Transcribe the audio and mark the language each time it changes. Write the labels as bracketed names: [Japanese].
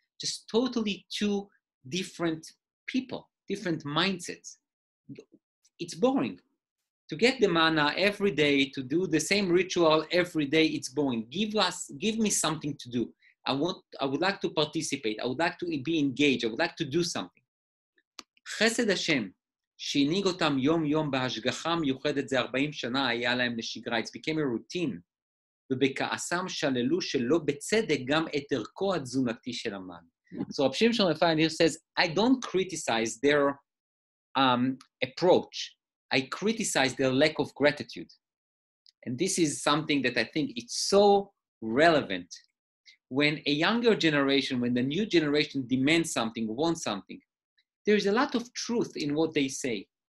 [English] Just totally two different people, different mindsets. It's boring. To get the manna every day, to do the same ritual every day, it's boring. Give me something to do. I would like to participate. I would like to be engaged. I would like to do something. Chesed Hashem, [Hebrew] שהנהיג אותם יום יום בהשגחה מיוחדת זה 40 שנה היה להם לשגרה. [English] It became a routine. [Hebrew] ובכעסם שללו שלא בצדק גם את ערכו התזונתי של המן. [English] So Rav Shimshon Refaneer says, I don't criticize their approach. I criticize their lack of gratitude. And this is something that I think it's so relevant. When a younger generation, when the new generation demands something, wants something, there is a lot of truth in what they say.